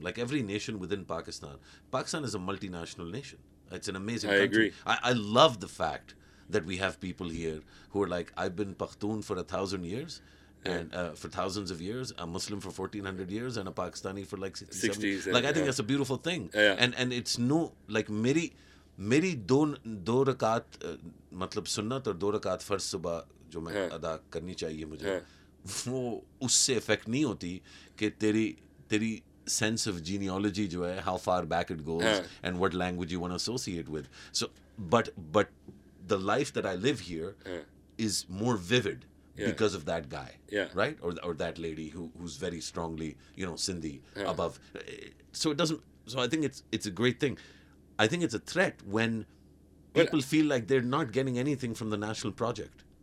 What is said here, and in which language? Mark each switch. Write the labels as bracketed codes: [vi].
[en] Like every nation within Pakistan is a multinational nation. It's an amazing country. I agree. I love the fact that we have people here who are like, I've been Pakhtun for 1,000 years, and for thousands of years, a Muslim for 1,400 years, and a Pakistani for like 60, 60, 70. Like, I think that's a beautiful thing. Yeah. [ur] And it's no, like, میری دو رکعت، مطلب سنت اور دو رکعت فرض صبح، جو میں ادا کرنی چاہیے مجھے، وہ اس سے effect نہیں ہوتی کہ تیری sense of genealogy جو ہے، [en] how far back it goes and what language you want to associate with. So, but the life that I live here is more vivid because of that guy, right? Or that lady who's very strongly, you know, Sindhi above. So it doesn't. So I think it's a great thing. I think it's a threat when people feel like they're not getting anything from the national project.